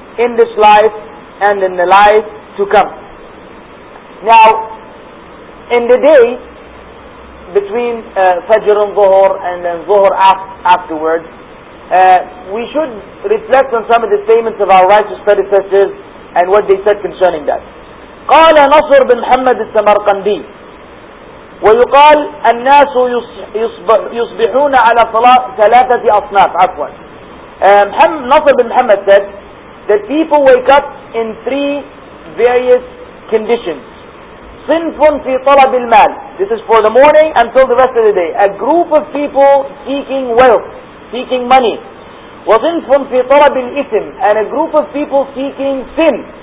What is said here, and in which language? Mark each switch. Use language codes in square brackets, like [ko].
[en] In this life and in the life to come. Now, in the day between Fajr and Zuhr, and then Zuhr afterwards, we should reflect on some of the statements of our righteous predecessors and what they said concerning that. [ar] قال نصر بن محمد السمرقندي ويقال الناس يصبحون على ثلاثة أصناف عفوا. [en] نصر بن محمد said that people wake up in three various conditions. [ar] صنف في طلب المال, [en] this is for the morning until the rest of the day, a group of people seeking wealth, seeking money. [ar] وصنف في طلب الإثم, [en] and a group of people seeking sin.